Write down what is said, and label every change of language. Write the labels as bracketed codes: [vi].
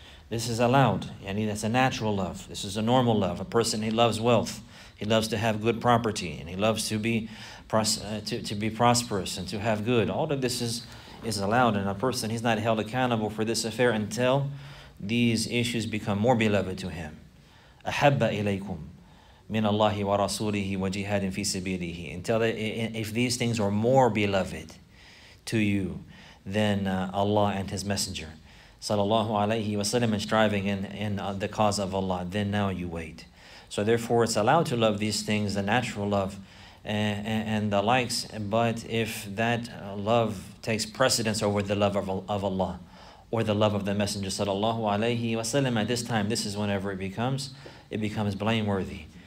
[en] This is allowed, and that's a natural love. This is a normal love. A person, he loves wealth. He loves to have good property, and he loves to be prosperous and to have good. All of this is allowed, and a person, he's not held accountable for this affair until these issues become more beloved to him. [ar] أحب إليكم من الله ورسوله وجهاد في سبيله. [en] Until if these things are more beloved to you than Allah and His Messenger sallallahu alayhi wa sallam, and striving in the cause of Allah, then now you wait. So therefore it's allowed to love these things, the natural love and the likes, but if that love takes precedence over the love of Allah or the love of the Messenger sallallahu alayhi wa sallam, at this time, this is whenever it becomes blameworthy.